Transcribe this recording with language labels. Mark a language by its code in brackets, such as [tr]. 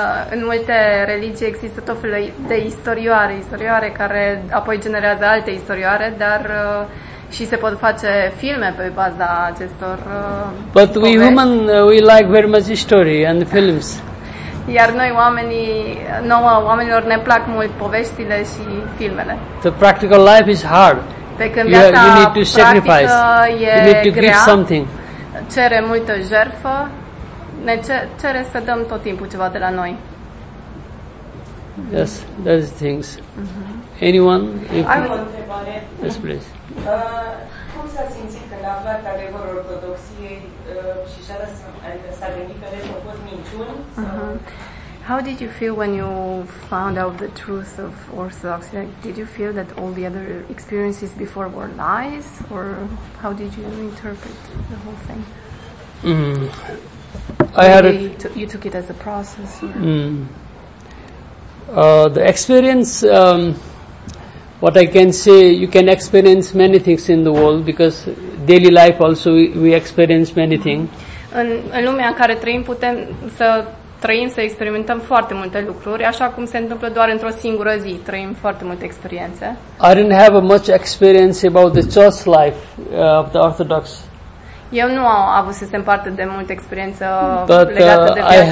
[ro] În multe religii există tot felul de istorioare care apoi generează alte istorioare, dar și se pot face filme pe baza acestor povești. [en] But we human, we like very much story and films. [ro] Iar noi oamenii, nouă oamenilor, ne plac mult poveștile și filmele. [en] The practical life is hard. [ro] Pe când viața [en] you need to sacrifice. [ro] Practică e [en] you need to [ro] grea, [en] give something. [ro] Cere multă jertfă, ne cere să dăm tot timpul ceva de la noi. [en] Yes, those things. Mm-hmm. Anyone? [ro] Am o întrebare. [en] Yes, please. [ro] Cum s-a simțit când a aflat adevărul ortodoxiei și s-a gândit că a fost minciun? [en] How did you feel when you found out the truth of Orthodoxy? Did you feel that all the other experiences before were lies? Or how did you interpret the whole thing? You took it as a process? The experience, what I can say, you can experience many things in the world because daily life also we experience many things. [ro] În lumea în care trăim putem să trăim, să experimentăm foarte multe lucruri, așa cum se întâmplă doar într-o singură zi, trăim foarte multe experiențe. [en] I didn't have much experience about the church life of the Orthodox. [ro] Eu nu am avut să parte de multă experiență [en] but, [ro] legată de viața bisericii